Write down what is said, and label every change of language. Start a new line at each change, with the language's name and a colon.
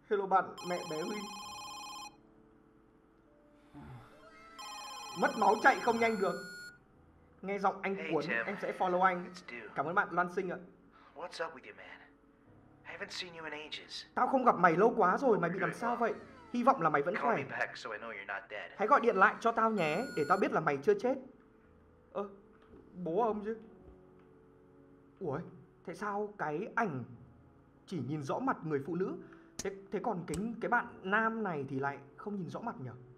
Vietnamese: Bạn mẹ bé Huy. Mất máu chạy không nhanh được. Nghe giọng anh cuốn, hey, em sẽ follow anh. Cảm ơn bạn Loan Sinh ạ.
English: What's up with you, man? I haven't seen you in ages.
Vietnamese: Tao không gặp mày lâu quá rồi, mày bị làm sao vậy? Hy vọng là mày vẫn khỏe. Hãy gọi điện lại cho tao nhé, để tao biết là mày chưa chết. Ơ, bố ông chứ. Ủa, tại sao cái ảnh chỉ nhìn rõ mặt người phụ nữ, thế còn cái bạn nam này thì lại không nhìn rõ mặt nhỉ?